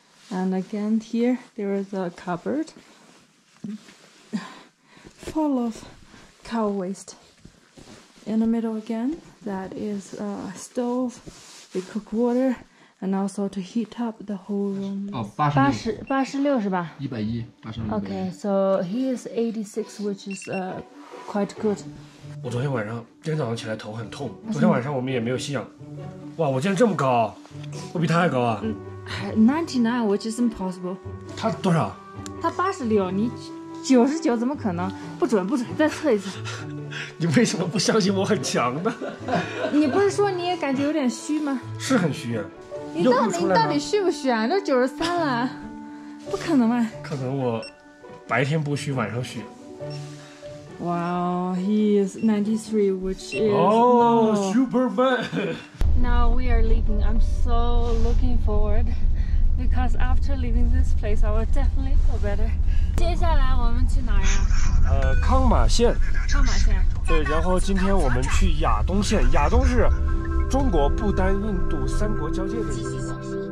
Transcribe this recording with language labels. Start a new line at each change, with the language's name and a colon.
English: And again here, there is a cupboard full of cow waste. In the middle again, that is a stove, we cook water, and also to heat up the whole room. Oh, 86. 86, right? 110, 86. Okay, so he is 86, which is quite good.
Chinese: 我昨天晚上，今天早上起来头很痛。昨天晚上我们也没有吸氧。哇，我竟然这么高，我比他还高啊。
English: 99, which is impossible.
Chinese: 他多少？他86，你99怎么可能？不准，不准，再测一次。你为什么不相信我很强呢？你不是说你也感觉有点虚吗？是很虚。你到底虚不虚啊？都93了，不可能吧？可能我白天不虚，晚上虚。
English: Wow, he is 93, which is Superman. Now we are leaving. I'm so looking forward because after leaving this place, I will definitely feel better.
Chinese: 接下来我们去哪呀？康马县。康马县。对，然后今天我们去亚东县。亚东是中国、不丹、印度三国交界的。